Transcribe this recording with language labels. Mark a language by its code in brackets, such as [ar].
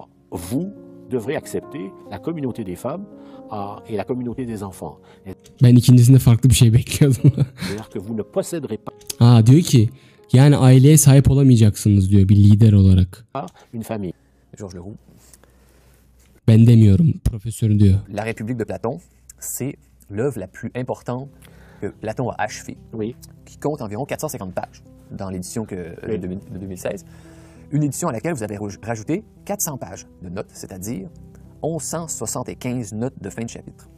[fr] Vous devrez accepter la communauté des femmes et la communauté des enfants. [tr] Ben ikincisinde farklı bir şey bekliyordum. [fr] C'est-à-dire que vous ne posséderez pas. [tr] Ah, diyor ki yani aileye sahip olamayacaksınız diyor bir lider olarak. [fr] Une famille. Georges Leroux. [tr] Ben demiyorum, profesör diyor. [fr] La République de Platon, c'est l'œuvre la plus importante que Platon a achevé. Oui. Qui compte environ 450 pages dans l'édition que oui. De 2016. Une édition à laquelle vous avez rajouté 400 pages de notes, c'est-à-dire 1175 notes de fin de chapitre.